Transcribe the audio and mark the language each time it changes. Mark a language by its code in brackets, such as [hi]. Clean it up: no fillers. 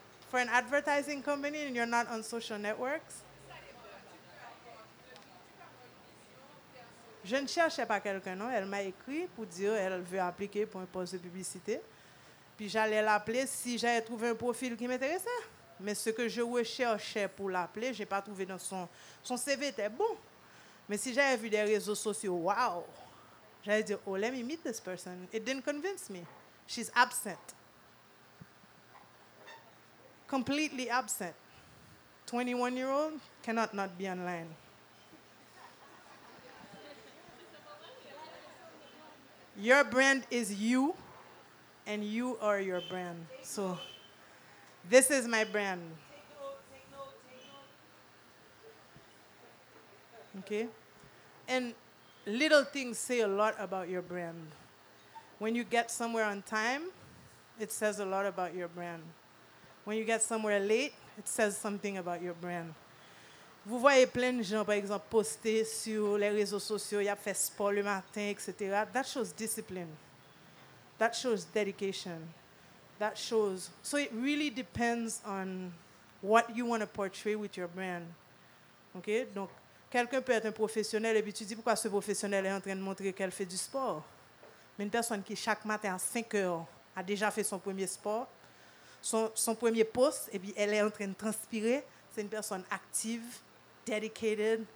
[en] For an advertising company and you're not on social networks? [fr] Je ne cherchais pas quelqu'un, non. Elle m'a écrit pour dire qu'elle veut appliquer pour un poste de publicité. Puis j'allais l'appeler si j'avais trouvé un profil qui m'intéressait. Mais ce que je recherchais pour l'appeler, je n'ai pas trouvé dans son... Son CV était bon. Mais si j'avais vu des réseaux sociaux, wow! J'allais dire, oh, [en] let me meet this person. It didn't convince me. She's absent. Completely absent. 21-year-old cannot not be online. Your brand is you, and you are your brand. So, this is my brand. Okay? And little things say a lot about your brand. When you get somewhere on time, it says a lot about your brand. When you get somewhere late, it says something about your brand. [fr] Vous voyez plein de gens, par exemple, poster sur les réseaux sociaux, y a fait sport le matin, etc. [en] That shows discipline. That shows dedication. That shows... So it really depends on what you want to portray with your brand. OK? [fr] Donc, quelqu'un peut être un professionnel et puis tu dis pourquoi ce professionnel est en train de montrer qu'elle fait du sport. Mais une personne qui, chaque matin, à 5 heures, a déjà fait son premier sport, son premier poste, et puis elle est en train de transpirer, c'est une personne active, dedicated.